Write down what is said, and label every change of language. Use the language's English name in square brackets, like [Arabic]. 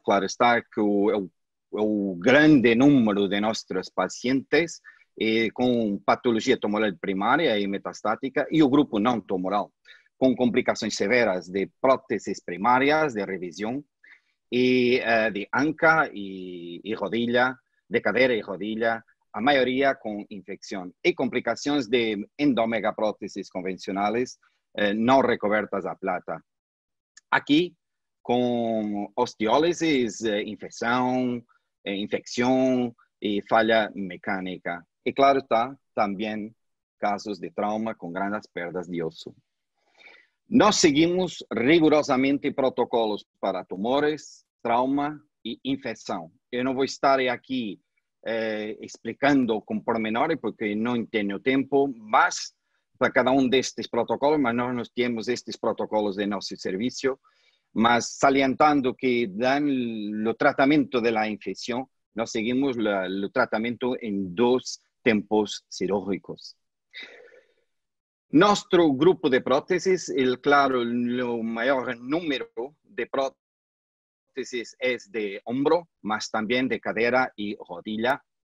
[Spanish] Claro está que el gran número de nuestros pacientes con patología tumoral primaria y metastática y el grupo no tumoral, con complicaciones severas de prótesis primarias, de revisión, y de anca y rodilla, de cadera y rodilla, la mayoría con infección y complicaciones de endomegaprótesis convencionales no recubiertas a plata. Aquí, con osteólisis, infección, infección y falla mecánica. Y claro está, también casos de trauma con grandes pérdidas de hueso. [Portuguese] Nos seguimos rigurosamente protocolos para tumores, trauma e infecção. Eu não vou estar aqui explicando com pormenores porque não tenho tempo, mas para cada um destes protocolos, mas nós temos estes protocolos de nosso serviço, mas salientando que dão o tratamento da infecção, [Spanish] nos seguimos el tratamiento en dos tiempos cirúrgicos. Nuestro grupo de prótesis, el claro, el mayor número de prótesis es de hombro, más también de cadera y rodilla.